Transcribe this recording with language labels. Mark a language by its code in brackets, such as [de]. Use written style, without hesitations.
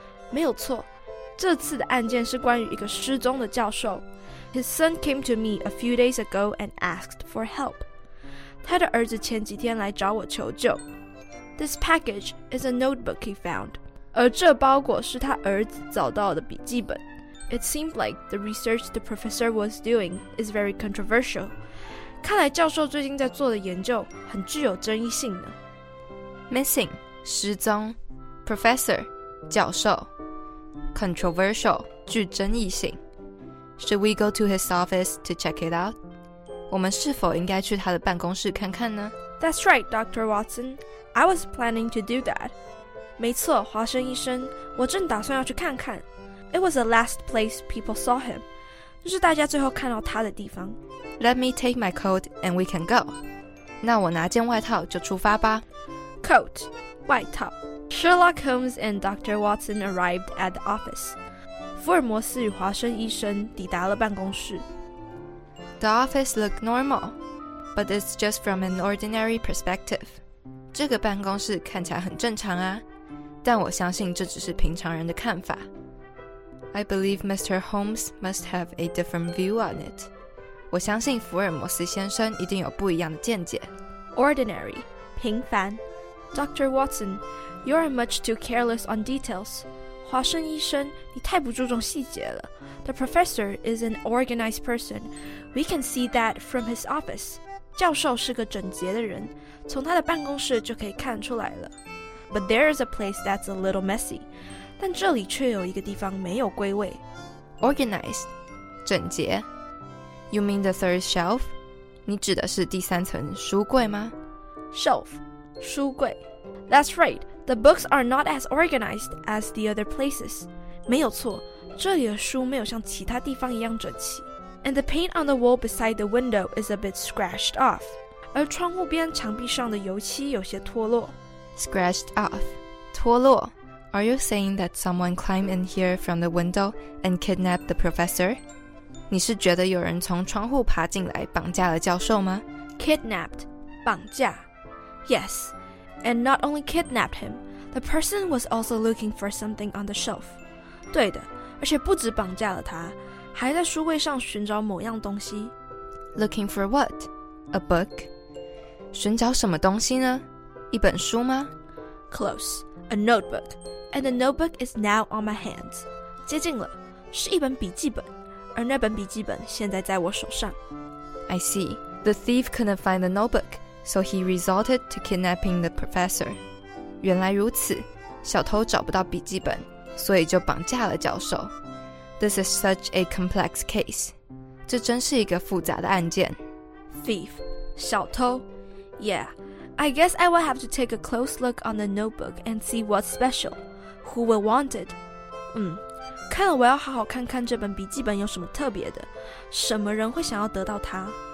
[zh] 没有错，这次的案件是关于一个失踪的教授。 [en] His son came to me a few days ago and asked for help. [zh] 他的儿子前几天来找我求救。 [en] This package is a notebook he found. [zh] 而这包裹是他儿子找到的笔记本。 [en] It seemed like the research the professor was doing is very controversial. [zh] 看来教授最近在做的研究很具有争议性呢。 [en] Missing, 失踪 Professor, 教授 Controversial, 具争议性 Should we go to his office to check it out? [zh] 我们是否应该去他的办公室看看呢？ [en] That's right, Dr. Watson. I was planning to do that. [zh] 没错，华生医生，我正打算要去看看。 [en] It was the last place people saw him. [zh] 这是大家最后看到他的地方。 [en] Let me take my coat and we can go. [zh] 那我拿件外套就出发吧。 [en] Coat, 外套。Sherlock Holmes and Dr. Watson arrived at the office. [zh] 福尔摩斯与华生医生抵达了办公室。 [en] The office looked normal, but it's just from an ordinary perspective. [zh] 这个办公室看起来很正常啊，但我相信这只是平常人的看法。 [en] I believe Mr. Holmes must have a different view on it. [zh] 我相信福尔摩斯先生一定有不一样的见解。 [en] Ordinary, 平凡。Dr. Watson, you are much too careless on details. [zh] 华生医生，你太不注重细节了。 [en] The professor is an organized person. We can see that from his office. [zh] 教授是个整洁的人，从他的办公室就可以看出来了。 [en] But there is a place that's a little messy. [zh] 但这里却有一个地方没有归位。 [en] Organized, 整洁。You mean the third shelf? [zh] 你指的是第三层书柜吗？ [en] Shelf. 书柜 That's right, the books are not as organized as the other places. [zh] 没有错，这里的书没有像其他地方一样整齐。 [en] And the paint on the wall beside the window is a bit scratched off. [zh] 而窗户边墙壁上的油漆有些脱落。 [en] Scratched off, 脱落。 Are you saying that someone climbed in here from the window and kidnapped the professor? [zh] 你是觉得有人从窗户爬进来绑架了教授吗？ [en] Kidnapped, 绑架。 Yes, and not only kidnapped him, the person was also looking for something on the shelf. [zh] 对的，而且不止绑架了他，还在书柜上寻找某样东西。 [en] Looking for what? A book? [zh] 寻找什么东西呢？一本书吗？ [en] Close, a notebook, and the notebook is now on my hands. [zh] 接近了，是一本笔记本，而那本笔记本现在在我手上。 [en] I see, the thief couldn't find the notebook. So he resorted to kidnapping the professor. [zh] 原来如此，小偷找不到笔记本，所以就绑架了教授。 [en] This is such a complex case. [zh] 这真是一个复杂的案件。 [en] Thief, 小偷。 Yeah, I guess I will have to take a close look on the notebook and see what's special. Who will want it? [zh] 看了我要好好看看这本笔记本有什么特别的，什么人会想要得到它。